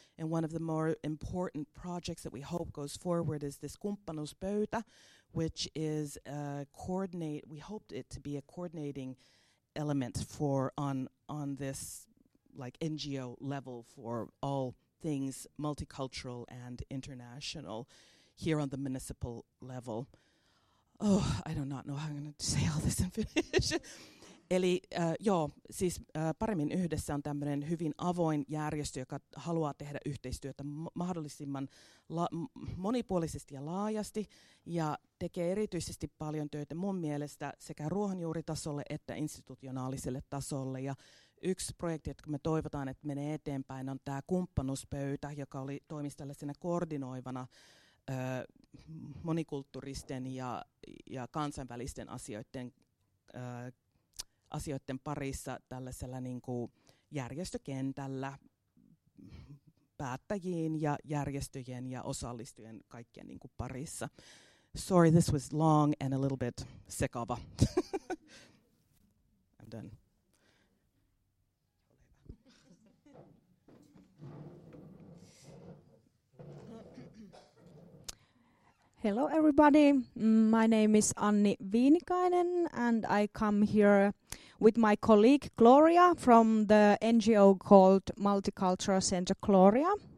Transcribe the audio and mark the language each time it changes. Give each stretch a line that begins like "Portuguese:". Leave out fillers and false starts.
English: And one of the more important projects that we hope goes forward is this kumppanuspöytä, which is a coordinating element for on this like NGO level for all things multicultural and international here on the municipal level. Oh, I do not know how I'm going to say all this in Finnish.
Finnish: Eli joo, siis paremmin yhdessä on tämmöinen hyvin avoin järjestö, joka haluaa tehdä yhteistyötä mahdollisimman monipuolisesti ja laajasti, ja tekee erityisesti paljon töitä mun mielestä sekä ruohonjuuritasolle että institutionaaliselle tasolle. Ja yksi projekti, jota me toivotaan, että menee eteenpäin, on tämä kumppanuspöytä, joka oli toimisi tällaisena koordinoivana monikulttuuristen ja kansainvälisten asioiden parissa tällaisella niin kuin järjestökentällä päättäjiin ja järjestöjen ja osallistujien kaikkien niin kuin parissa.
English: Sorry, this was long and a little bit sekava. I'm done. Hello everybody, my name is Anni Viinikainen and I come here with my colleague Gloria from the NGO called Multicultural Center Gloria.